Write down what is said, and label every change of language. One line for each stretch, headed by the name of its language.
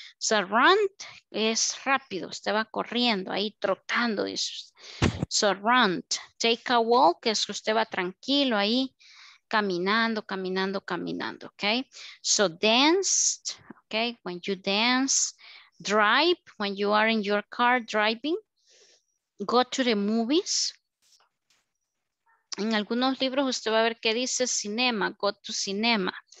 Spanish: So run es rápido, usted va corriendo, ahí trotando, dice usted.
English: So run, take a walk,
Spanish: es que usted va tranquilo ahí, caminando, caminando, caminando, ¿ok?
English: So dance, ¿ok? When you dance, drive, when you are in your car driving, go to the movies.
Spanish: En algunos libros usted va a ver que dice cinema,
English: go to cinema.